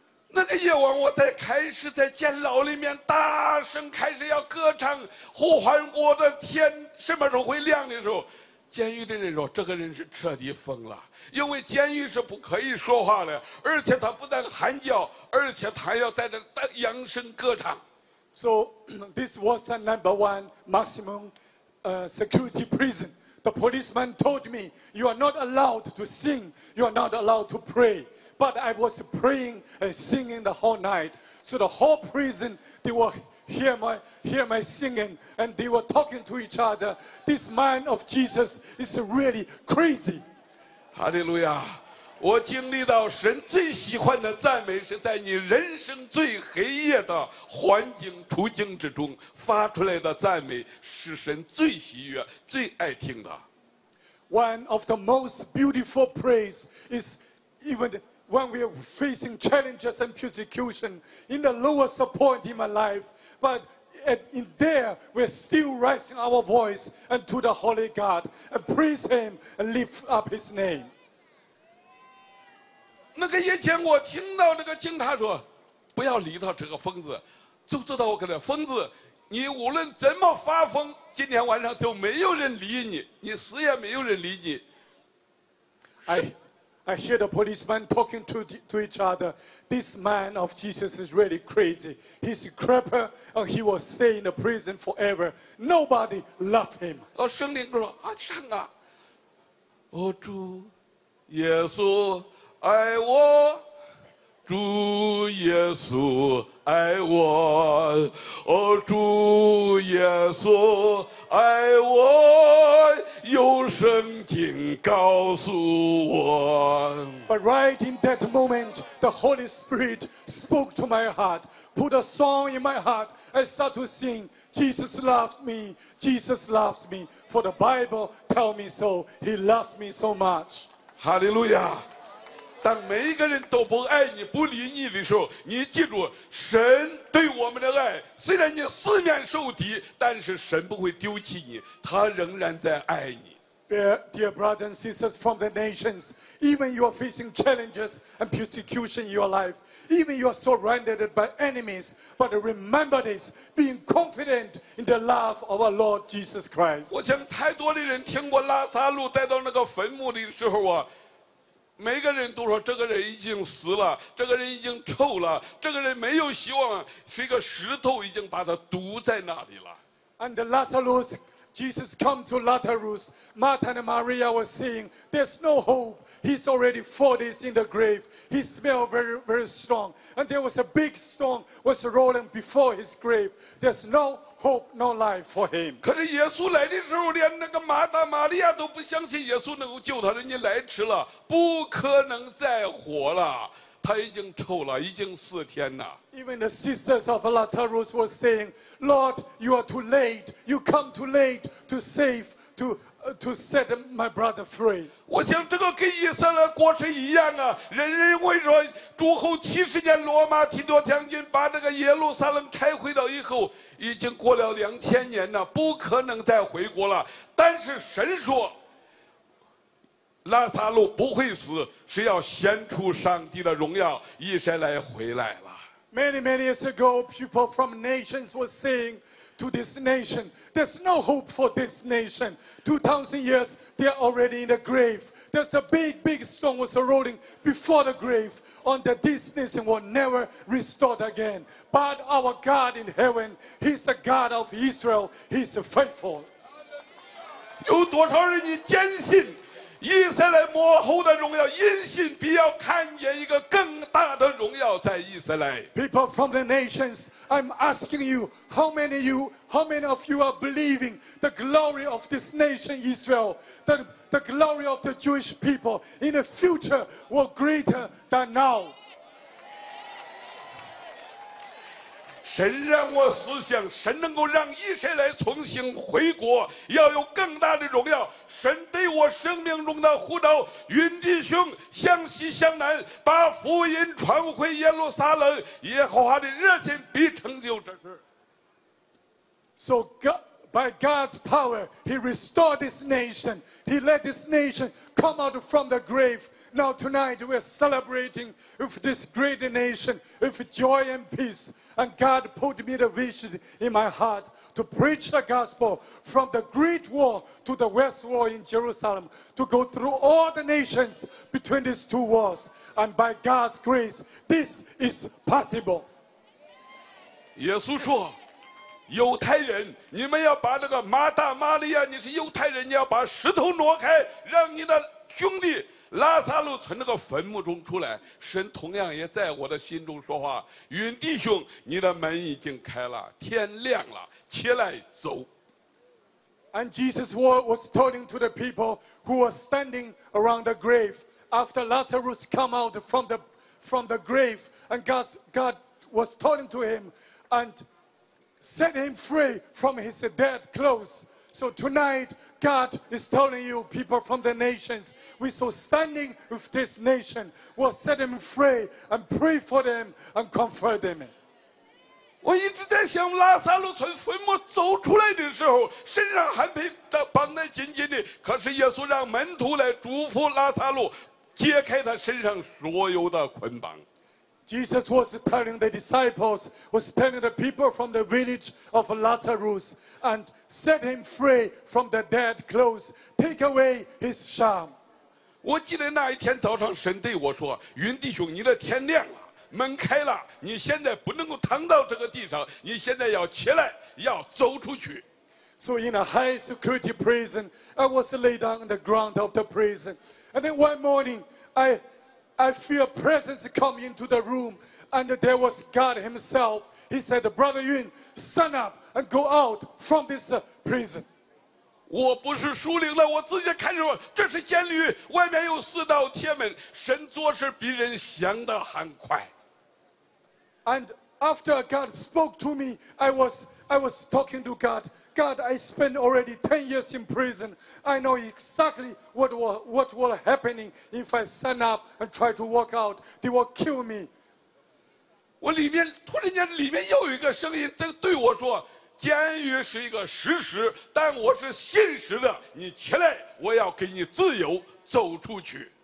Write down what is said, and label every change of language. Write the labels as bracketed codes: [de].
[zh] 那个夜晚，我在开始在监牢里面大声开始要歌唱，呼唤我的天什么时候会亮的时候，监狱的人说这个人是彻底疯了，因为监狱是不可以说话的，而且他不但喊叫，而且他要在这扬声歌唱。 [en] So this was the number one maximum security prison. The policeman told me, "You are not allowed to sing. You are not allowed to pray." But I was praying and singing the whole night. So the whole prison, they were hear my singing, and they were talking to each other. This man of Jesus is really crazy. Hallelujah. [zh] 我经历到神最喜欢的赞美是在你人生最黑夜的环境处境之中发出来的赞美，是神最喜悦最爱听的。 [en] One of the most beautiful praise is evenWhen we are facing challenges and persecution in the lowest point in my life, but in there, we're still raising our voice and to the Holy God and praise Him and lift up His name. [zh] 那个夜间我听到那个警察说，不要理他这个疯子，就知道我跟他疯子，你无论怎么发疯，今天晚上就没有人理你，你死也没有人理你。 [en] I hear the policemen talking to each other. This man of Jesus is really crazy. He's a creeper and he will stay in the prison forever. Nobody loves him. [zh] 圣灵说啊，上啊，哦，主耶稣爱我，主耶稣爱我，哦，主耶稣爱我，有圣经告诉我。 [en] But right in that moment, the Holy Spirit spoke to my heart, put a song in my heart, and start to sing, Jesus loves me, Jesus loves me, for the Bible tells me so, He loves me so much. Hallelujah. [zh] 当每一个人都不爱你不理你的时候，你记住神对我们的爱，虽然你四面受敌，但是神不会丢弃你，他仍然在爱你。 [en] Dear brothers and sisters from the nations, even you are facing challenges and persecution in your life, even you are surrounded by enemies, but remember this, being confident in the love of our Lord Jesus Christ. [zh] 我想太多的人听过拉撒路带到那个坟墓的时候啊，每个人都说这个人已经死了，这个人已经臭了，这个人没有希望了，是一个石头已经把他堵在那里了。 [en] And Lazarus, Jesus come to Lazarus, Martha and Maria were saying, there's no hope, he's already 4 days in the grave, he smell very, very strong, and there was a big stone was rolling before his grave, there's no hope, no life for him. [zh] 可是耶稣来的时候，连那个马大、玛利亚都不相信耶稣能够救他，人家来迟了，不可能再活了，他已经臭了，已经四天了。 [en] Even the sisters of Lazarus were saying, Lord, you are too late, you come too late to save, to set my brother free. [zh] 我想这个跟以色列国是一样啊，人人为说主后70年罗马提多将军把那个耶路撒冷拆毁了以后，已经过了2000年了，不可能再回国了，但是神说拉撒路不会死，是要显出上帝的荣耀，以色列回来了。 [en] Many many years ago, people from nations were saying to this nation, there's no hope for this nation, 2000 years they are already in the grave, there's a big big stone was rolling before the graveOn that this nation will never restore again. But our God in heaven, He's the God of Israel, He's faithful. [zh] 有多少人你坚信，以色列幕后的荣耀，因信必要看见一个更大的荣耀在以色列。 [en] People from the nations, I'm asking you, how many of you are believing the glory of this nation Israel, the glory of the Jewish people in the future will greater than now? [zh] 神让我思想，神能够让以色列重新回国，要有更大的荣耀。神对我生命中的呼召，云弟兄向西向南，把福音传回耶路撒冷，耶和华的热心必成就这事。 [en] So God, by God's power, He restored this nation. He let this nation come out from the grave. Now tonight we are celebrating with this great nation with joy and peace. And God put me the vision in my heart to preach the gospel from the Great Wall to the West Wall in Jerusalem, to go through all the nations between these two walls. And by God's grace, this is possible. [zh] 耶稣说，犹太人，你们要把那个马大、玛利亚，你是犹太人，你要把石头挪开，让你的兄弟拉撒路从那个坟墓中出来，神同样也在我的心中说话，云弟兄，你的门已经开了，天亮了，起来走。 [en] And Jesus was talking to the people who were standing around the grave after Lazarus come out from the grave, and God was talking to him and set him free from his dead clothes. So tonightGod is telling you, people from the nations, we're so standing with this nation. We'll set them free and pray for them and comfort them. [zh] 我一直在想，拉撒路从坟墓走出来的时候，身上还被绑得紧紧的。可是耶稣让门徒来嘱咐拉撒路，解开他身上所有的捆绑。 [en] Jesus was telling the disciples, was telling the people from the village of Lazarus, and set him free from the dead clothes, take away his shame. [zh] 我记得那一天早上，神对我说：“云弟兄，你的天亮了，门开了，你现在不能够躺到这个地上，你现在要起来，要走出去。” [en] So in a high security prison, I was laid down on the ground of the prison, and then one morning, I feel presence come into the room, and there was God Himself. He said, "Brother Yun, stand up and go out from this prison." [zh] 我不是属灵的，我自己看着，这是监狱，外面有四道铁门。神做事比人想的还快。 [en] And after God spoke to me, I was talking to God. God, I spent already 10 years in prison. I know exactly what will happen if I stand up and try to walk out. They will kill me. [zh] 我里面突然间里面又有一个声音在对我说，监狱是一个实实，但我是信实的，你起来，我要给你自由，走出去。